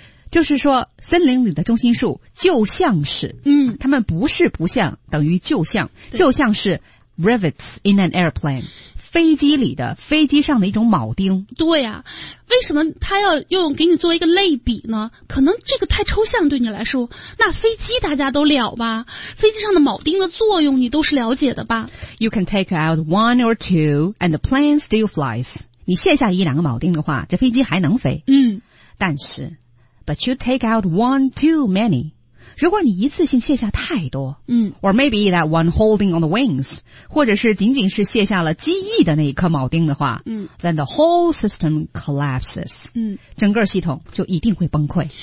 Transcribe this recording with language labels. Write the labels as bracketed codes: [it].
[zh] 就是说，森林里的中心树就像是，他们不是不像，等于就像，就像是 [en] rivets in an airplane。 [zh] 飞机里的飞机上的一种铆钉。对啊，为什么他要用给你做一个类比呢？可能这个太抽象对你来说，那飞机大家都了吧，飞机上的铆钉的作用你都是了解的吧。 [en] You can take out one or two and the plane still flies。 [zh] 你卸下一两个铆钉的话，这飞机还能飞。嗯，但是 [en] But you take out one too many。 [zh] 如果你一次性卸下太多， [en] or maybe that one holding on the wings， [zh] 或者是仅仅是卸下了机翼的那一颗铆钉的话， [en] then the whole system collapses， [zh] 整个系统就一定会崩溃。